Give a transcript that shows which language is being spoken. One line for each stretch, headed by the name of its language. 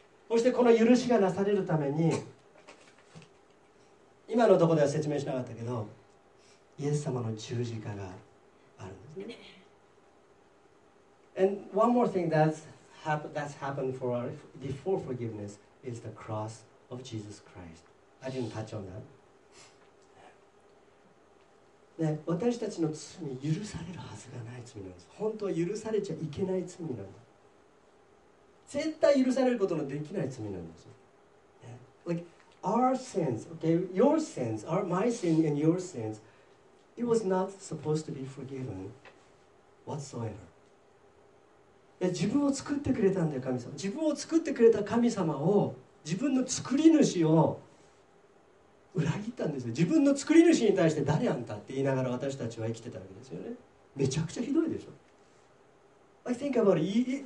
Japanese: そしてこの許しがなされるために、今のところでは説明しなかったけど、イエス様の十字架があるんですね。
English: And one more thing that's happened for our, before forgiveness is the cross of Jesus Christ. I didn't touch on that.
Japanese: ね、私たちの罪、許されるはずがない罪なんです。本当は許されちゃいけない罪なんです。絶対許されることのできない罪なんです。
English: ね、like, our sins, okay, your sins, our, my sin and your sins, it was not supposed to be forgiven whatsoever.
Japanese: 自分を作ってくれたんだよ神様。自分を作ってくれた神様を、自分の作り主を裏切ったんですよ。自分の作り主に対して誰あんたって言いながら私たちは生きてたわけですよね。めちゃくちゃひどいでしょ。
English: I think about it.